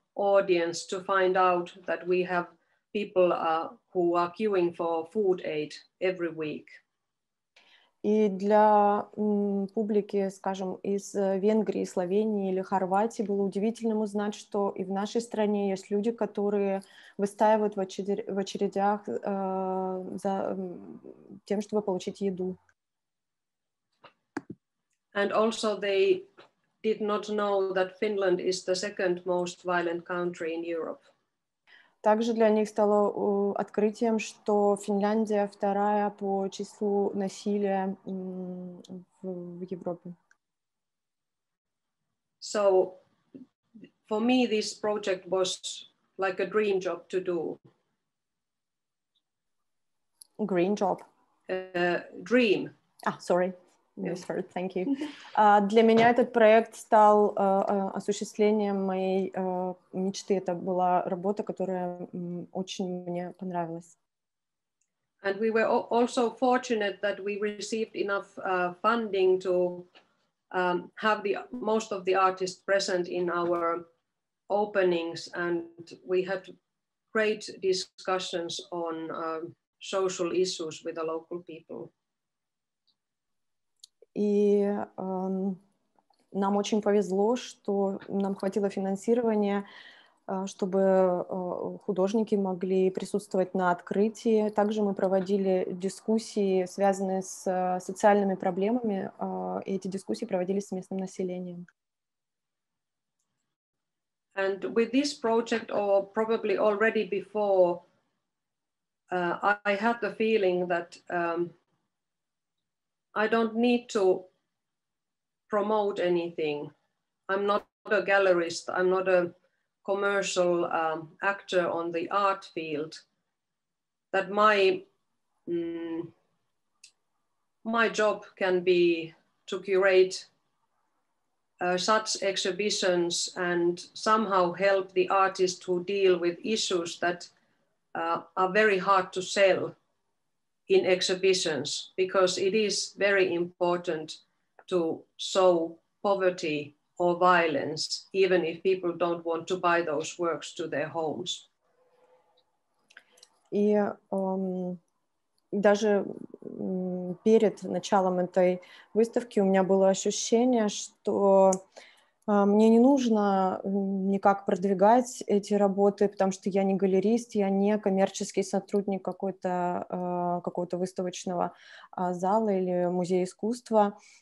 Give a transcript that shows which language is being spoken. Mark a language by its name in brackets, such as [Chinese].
[English] audience to find out that we have people who are queuing for food aid every week. [Russian] И для публики, скажем, из Венгрии, Словении или Хорватии было удивительным узнать, что и в нашей стране есть люди, которые выстаивают в очередях за тем, чтобы получить еду. [English] And also they did not know that Finland is the second most violent country in Europe. [Russian] Также для них стало открытием, что Финляндия вторая по числу насилия в Европе. [English] So for me this project was like a dream job to do. Green job. Dream. Ah, sorry. Yes, heard. Thank you. [Russian] Для меня этот проект стал осуществлением моей мечты. Это была работа, которая очень мне понравилась. [English] And we were also fortunate that we received enough funding to have the most of the artists present in our openings, and we had great discussions on social issues with the local people. [Russian] И нам очень повезло, что нам хватило финансирования, чтобы художники могли присутствовать на открытии. Также мы проводили дискуссии, связанные с социальными проблемами, и эти дискуссии проводились с местным населением. [English] And with this project, or probably already before, I had the feeling that I don't need to promote anything. I'm not a gallerist, I'm not a commercial actor on the art field. That my my job can be to curate such exhibitions and somehow help the artists who deal with issues that are very hard to sell in exhibitions, because it is very important to show poverty or violence, even if people don't want to buy those works to their homes. [Russian] И даже перед началом этой выставки у меня было ощущение, что мне не нужно никак продвигать эти работы, потому что я не галерист, я не коммерческий сотрудник какой-то, какого-то выставочного зала или музея искусства.